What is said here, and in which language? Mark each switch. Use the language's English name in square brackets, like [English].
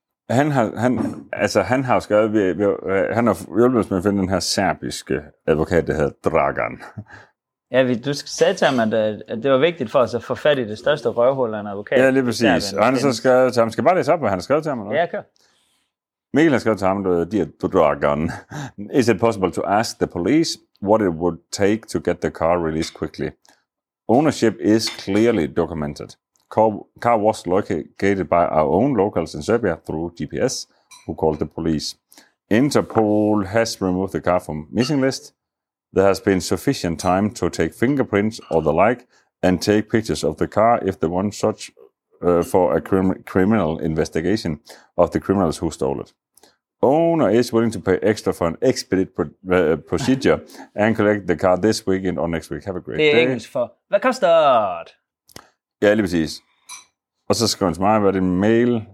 [Danish] Han har skrevet, han har hjulpet os med at finde den her serbiske advokat, der hedder Dragan. Ja, du sagde til ham, at det var vigtigt for os at få fat i det største røvhul af en advokat. Ja, lige præcis. Og han så skrevet til ham, skal bare læse op, hvad han har skrevet til ham? Eller? Ja, kør. Mikkel har skrevet til ham, at de er Dragan. [English] Is it possible to ask the police what it would take to get the car released quickly? Ownership is clearly documented. Car was located by our own locals in Serbia through GPS, who called the police. Interpol has removed the car from missing list. There has been sufficient time to take fingerprints or the like and take pictures of the car if they want such for a criminal investigation of the criminals who stole it. Owner is willing to pay extra for an expedited procedure and collect the car this weekend or next week. Have a great day. [Danish] Det er engelsk for, hvad koster det? Ja, lige præcis. Og så skriver han til mig, hvad er det mail?